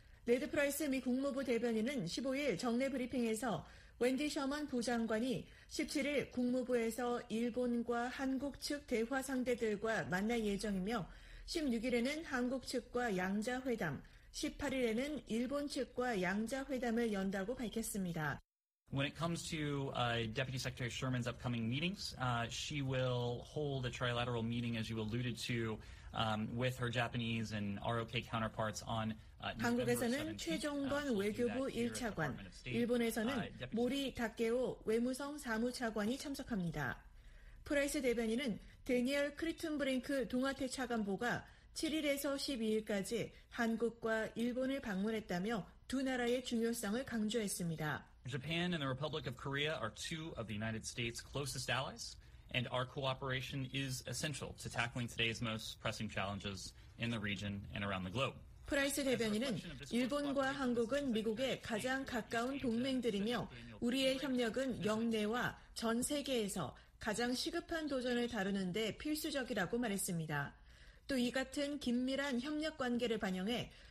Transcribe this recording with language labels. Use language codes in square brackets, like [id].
[ko] 레드 프라이스 미 국무부 대변인은 15일 정례 브리핑에서 웬디 셔먼 부장관이 17일 국무부에서 일본과 한국 측 대화 상대들과 만날 예정이며 16일에는 한국 측과 양자회담, 18일에는 일본 측과 양자회담을 연다고 밝혔습니다. [en] When it comes to Deputy Secretary Sherman's upcoming meetings, she will hold a trilateral meeting, as you alluded to, with her Japanese and ROK counterparts on. [ko] 한국에서는 최종건 외교부 1차관, 일본에서는 모리 다케오 외무성 사무차관이 참석합니다. 프라이스 대변인은 대니얼 크리튼브링크 동아태 차관보가 7일에서 12일까지 한국과 일본을 방문했다며 두 나라의 중요성을 강조했습니다. [en] Japan and the Republic of Korea are two of the United States' closest allies, and our cooperation is essential to tackling today's most pressing challenges in the region and around the globe. [ko] 프라이스 대변인은 일본과 한국은 미국의 가장 가까운 동맹들이며 우리의 협력은 영내와 전 세계에서 가장 시급한 도전을 다루는 데 필수적이라고 말했습니다. 또 이 같은 긴밀한 협력 관계를 반영해